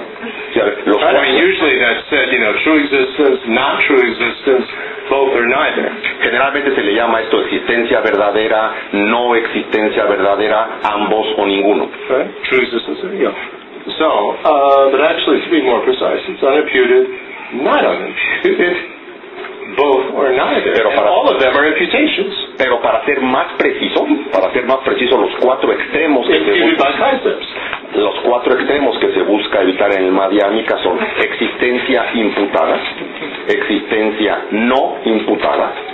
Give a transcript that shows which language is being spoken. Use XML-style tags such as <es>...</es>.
<en>Usually that's said, you know, true existence, not true existence, both or neither.</en> <es>Generalmente se le llama esto existencia verdadera, no existencia verdadera, ambos o ninguno.</es> <en>Right? True existence, yeah. So, but actually, to be more precise, it's unimputed. Not unimputed, both or neither.</en> <es>Pero para,</es> <en>and all of them are imputations.</en> <es>Pero para ser más preciso, los cuatro extremos que se busca evitar en el Madhyamika son existencia imputada, existencia no imputada.</es>